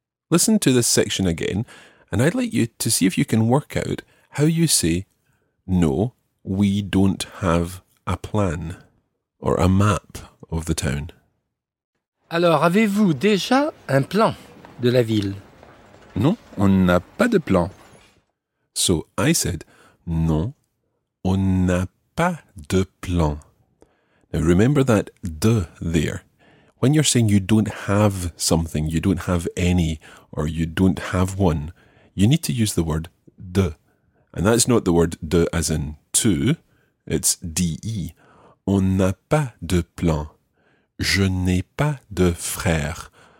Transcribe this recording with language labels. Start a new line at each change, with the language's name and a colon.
English: Listen to this section again, and I'd like you to see if you can work out how you say, no, we don't have a plan or a map of the town.
French: Alors, avez-vous déjà un plan de la ville? Non, on n'a pas de plan.
English: So, I said,
French: non, on n'a pas de plan.
English: Now, remember that de there. When you're saying you don't have something, you don't have any, or you don't have one, you need to use the word de. And that's not the word de as in to, it's de.
French: On n'a pas de plan. Je n'ai pas de frère.